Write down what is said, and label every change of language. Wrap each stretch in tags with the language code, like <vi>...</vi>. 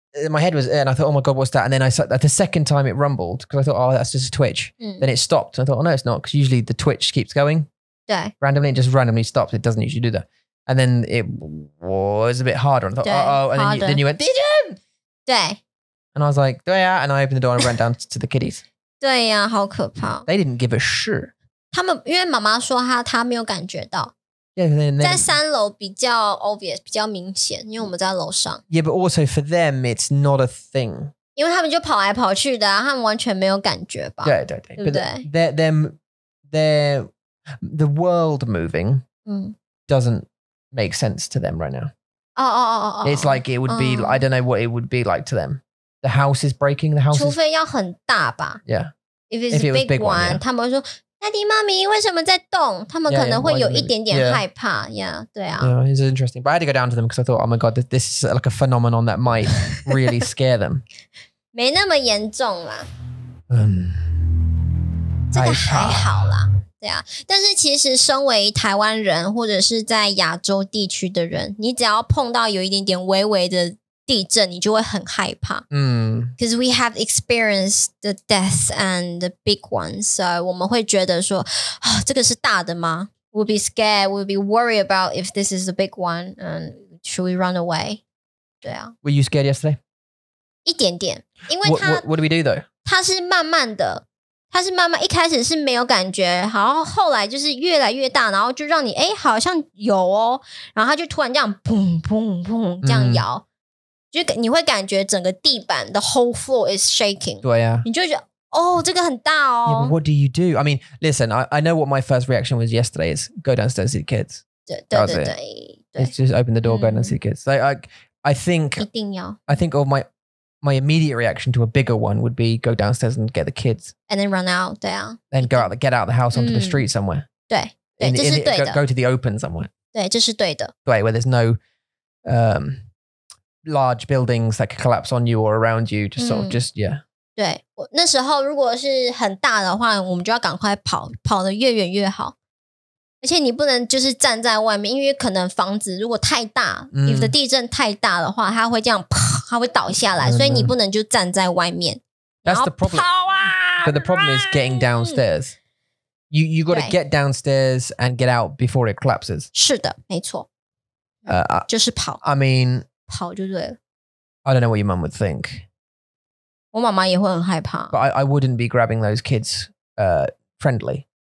<en>My head was, and I thought, oh my God, what's that? And then I saw that the second time it rumbled because I thought, oh, that's just a twitch. Then it stopped. I thought, oh no, it's not because usually the twitch keeps going. Yeah. Randomly, it just randomly stops. It doesn't usually do that. And then it was a bit harder. And I thought, oh, and then you went, did you? Yeah. And I was like, yeah. And I opened the door and ran down to the kiddies.</en> <zh>Yeah, 好可怕。</zh> <en>They didn't give a shit.</en> <zh>他们因为妈妈说她没有感觉到。</zh> <en>Yeah, then,</en> <zh>在三楼比较 obvious, 比较明显因为我们在楼上。</zh> <en>Yeah, but also for them, it's not a thing.</en> <zh>因为他们就跑来跑去的啊他们完全没有感觉吧。对对对。对不对</zh> <en>the world moving doesn't make sense to them right now. Oh, oh, oh, oh. It's like it would be, I don't know what it would be like to them. The house is breaking, the house</en> <zh>除非要很大吧。</zh> <en>Yeah. If it was a big one, yeah.</en> <zh>他们会说Daddy, mommy, 为什么在动？他们可能会有一点点害怕。 Yeah, 对啊。</zh> <en>Yeah, it's interesting. But I had to go down to them because I thought, oh my God, this is like a phenomenon that might really scare them.</en> <zh>没那么严重啦。这个还好啦。对啊。但是其实身为台湾人或者是在亚洲地区的人，你只要碰到有一点点微微的地震，你就会很害怕。</zh> <en>Because we have experienced the death and the big ones.</en> <zh>So 我们会觉得说、哦、这个是大的吗</zh> <en>We'll be scared. We'll be worried about if this is a big one. And should we run away?</en> <zh>对啊。</zh> <en>Were you scared yesterday?</en> <zh>一点点。因为</zh> <en>what do we do though?</en> <zh>它是慢慢的。它是慢慢一开始是没有感觉然后后来就是越来越大然后就让你诶好像有哦。然后它就突然这样砰砰砰这样摇。 Mm. 就你会感觉整个地板</zh> <en>the whole floor is shaking.</en> <zh>对啊。你就觉得哦这个很大哦。</zh> <en>Yeah, but what do you do? I mean, listen, I know what my first reaction was yesterday is go downstairs see the kids.</en> <zh>对。</zh> <en>It's just open the door, go downstairs see the kids. I think,</en> <zh>一定要。</zh> <en>I think of my immediate reaction to a bigger one would be go downstairs and get the kids. And then run out,</en> <zh>对啊。</zh> <en>Then get out of the house onto the street somewhere.</en> <zh>对。</zh> <en>Go to the open somewhere.</en> <zh>对这是对的。</zh> <en>对 where there's no... large buildings that could collapse on you or around you, just sort of just, yeah.</en> <zh>对，那时候如果是很大的话，我们就要赶快跑，跑得越远越好。而且你不能就是站在外面，因为可能房子如果太大，你的地震太大的话，它会这样啪，它会倒下来，所以你不能就站在外面。</zh> <en>That's the problem.</en> <zh>跑啊！</zh> <en>But the problem is getting downstairs. You got to get downstairs and get out before it collapses.</en> <zh>是的，没错。就是跑。</zh> <en>I mean,</en> <zh>跑就对了。</zh> <en>I don't know what your mum would think.</en> <zh>我妈妈也会很害怕。</zh> <en>But I wouldn't be grabbing those kids friendly.</en>